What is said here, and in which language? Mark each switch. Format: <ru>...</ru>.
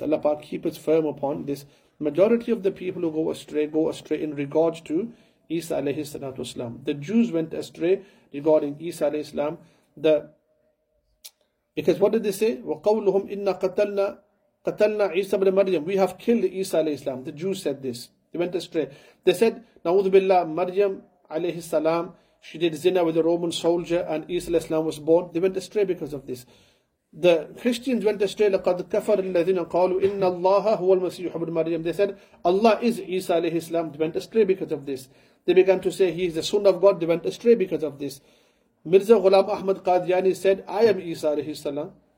<en>Allah Pak keep us firm upon this. Majority of the people who go astray in regards to Isa alayhi salatu wasalam. The Jews went astray regarding Isa alayhi salam. Because what did they say?</en> <ar>وَقَوْلُهُمْ إِنَّا قَتَلْنَا عِيسَى بْنَ مَرْيَمْ.</ar> <en>We have killed Isa alayhi salam. The Jews said this. They went astray. They said,</en> <ar>نَعُوذُ بِاللَّهِ مَرْيَمْ عَلَيْهِ السَّلَامْ.</ar> <en>She did zina with a Roman soldier and Isa alayhi salam was born. They went astray because of this. The Christians went astray.</en> <ar>لَقَدْ كَفَرَ الَّذِينَ قَالُوا إِنَّ اللَّهَ هُوَ الْمَسِيحُ بْنَ مَرْيَمْ.</ar> <en>They said, Allah is Isa alayhi salam. They went astray because of this. They began to say, He is the Son of God. They went astray because of this. Mirza Ghulam Ahmad Qadiani said, I am Isa alayhi salam.</en>